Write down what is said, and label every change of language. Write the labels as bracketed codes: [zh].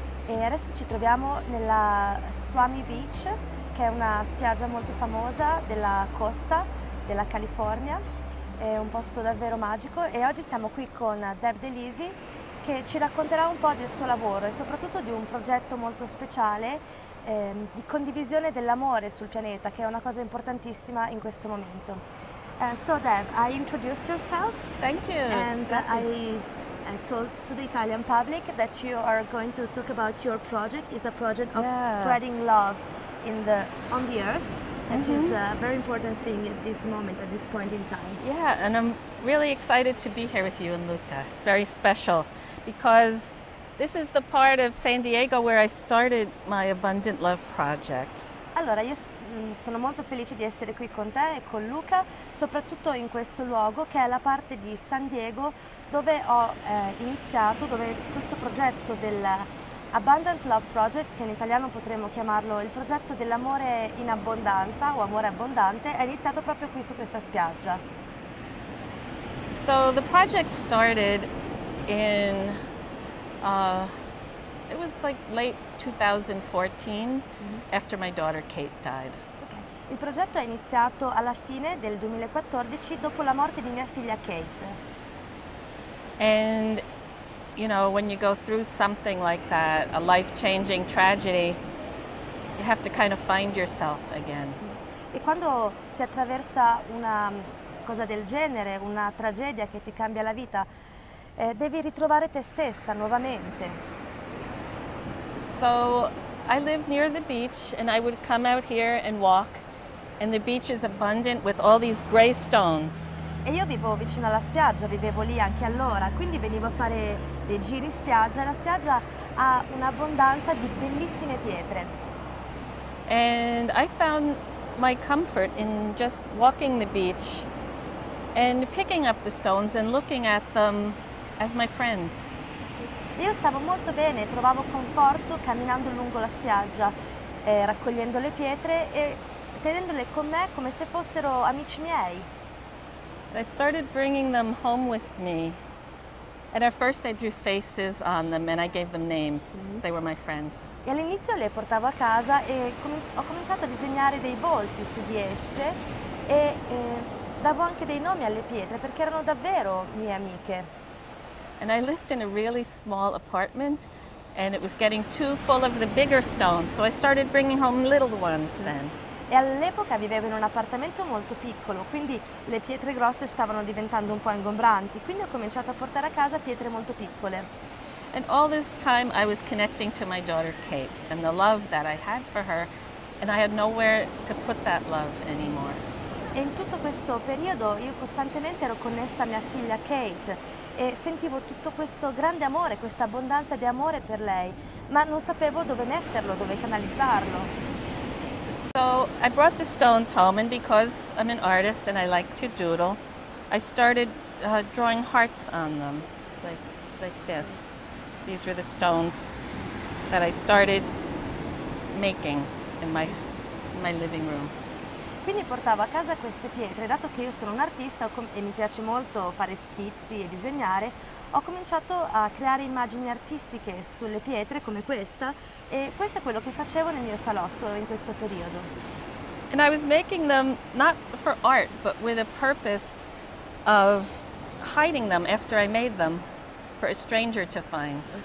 [it] E adesso ci troviamo nella Suami Beach, che è una spiaggia molto famosa della costa della California. È un posto davvero magico e oggi siamo qui con Deb DeLisi che ci racconterà un po' del suo lavoro e soprattutto di un progetto molto speciale, di condivisione dell'amore sul pianeta, che è una cosa importantissima in questo momento. [en] So Deb, I introduced yourself Thank you, and [it] grazie. [en] I told to the Italian public that you are going to talk about your project. It's a project of spreading love on the earth. That is a very important thing at this moment, at this point in time. Yeah, and I'm really excited to be here with you and Luca. It's very special because this is the part of San Diego where I started my Abundant Love project. [it] Allora, io sono molto felice di essere qui con te e con Luca, soprattutto in questo luogo che è la parte di San Diego dove ho iniziato, dove questo progetto del Abundant Love Project, che in italiano potremmo chiamarlo il progetto dell'amore in abbondanza o amore abbondante, è iniziato proprio qui su questa spiaggia. [en] So the project started in, it was like late 2014 after my daughter Kate died. [it] Il progetto è iniziato alla fine del 2014, dopo la morte di mia figlia Kate. [en] And you know, when you go through something like that, a life-changing tragedy, you have to kind of find yourself again. [it] E quando si attraversa una cosa del genere, una tragedia che ti cambia la vita, devi ritrovare te stessa nuovamente. [en] So I live near the beach and I would come out here and walk, and the beach is abundant with all these gray stones. [it] E io vivo vicino alla spiaggia, vivevo lì anche allora, quindi venivo a fare dei giri spiaggia e la spiaggia ha un'abbondanza di bellissime pietre. [en] And I found my comfort in just walking the beach and picking up the stones and looking at them as my friends. [it] Io stavo molto bene, trovavo conforto camminando lungo la spiaggia, raccogliendo le pietre e tenendole con me come se fossero amici miei. [en] I started bringing them home with me. And at first I drew faces on them and I gave them names. They were my friends. [it] E all'inizio le portavo a casa e com ho cominciato a disegnare dei volti su di esse e davo anche dei nomi alle pietre perché erano davvero mie amiche. [en] And I lived in a really small apartment and it was getting too full of the bigger stones, so I started bringing home little ones then. [it] E all'epoca vivevo in un appartamento molto piccolo, quindi le pietre grosse stavano diventando un po' ingombranti, quindi ho cominciato a portare a casa pietre molto piccole. [en] And all this time I was connecting to my daughter Kate and the love that I had for her, and I had nowhere to put that love anymore. [it] E in tutto questo periodo io costantemente ero connessa a mia figlia Kate e sentivo tutto questo grande amore, questa abbondanza di amore per lei, ma non sapevo dove metterlo, dove canalizzarlo. [en] So I brought the stones home, and because I'm an artist and I like to doodle, I started drawing hearts on them, like this. These were the stones that I started making in my living room. [it] Quindi portavo a casa queste pietre, dato che io sono un'artista e mi piace molto fare schizzi e disegnare, ho cominciato a creare immagini artistiche sulle pietre come questa e questo è quello che facevo nel mio salotto in questo periodo. [en] And I was making them not for art, but with a purpose of hiding them after I made them for a stranger to find.